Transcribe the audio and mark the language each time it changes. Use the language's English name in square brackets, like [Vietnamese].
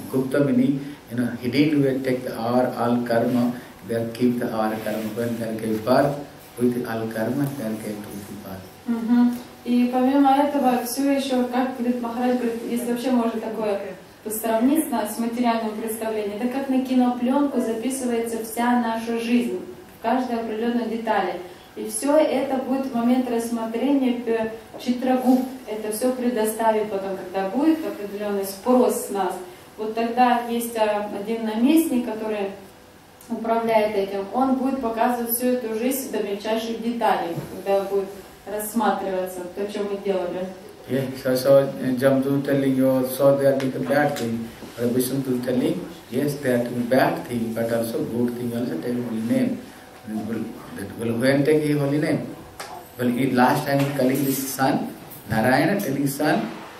[English] Gupta means, he didn't even take the all karma, they keep the all karma. When they gave birth, with all karma, they gave to the birth. [Russian] И помимо этого, все еще, как говорит Махарадж, если вообще можно такое посравнить с материальным представлением, это как на кинопленку записывается вся наша жизнь, в каждой определенной детали. И все это будет в момент рассмотрения Читрагуп. Это все предоставит потом, когда будет определенный спрос с нас. Вот тогда есть один наместник, который управляет этим. Он будет показывать всю эту жизнь до мельчайших деталей, когда будет рассматриваться то, что мы делали. [English] Yes, I saw Jamdu telling you, saw they are doing a bad thing. Vishnu telling, yes, they are doing a bad thing, but also good thing, also take holy name. Will go and take his holy name. Well, he last time he calling his son, Narayana, telling his son.